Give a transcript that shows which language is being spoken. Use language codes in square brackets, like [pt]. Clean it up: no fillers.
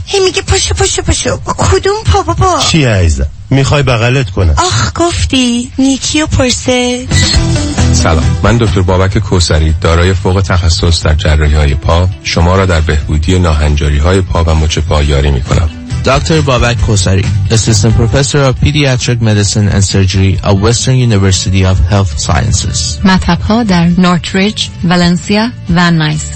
[fa] هی میگه پاشو. کدوم پا بابا؟ چی عزیزم؟ میخوای بغلت کنم؟ آخ گفتی نیکی و پرسه. سلام، من دکتر بابک کوسری دارای فوق تخصص در جراحی های پا شما را در بهبودی ناهنجاری های پا و مچ پا یاری میکنم. [en] Dr. Babak Kosari, Assistant Professor of Pediatric Medicine and Surgery at Western University of Health Sciences. [fa] مطب‌ها در نورتریج، والنسیا و نایس.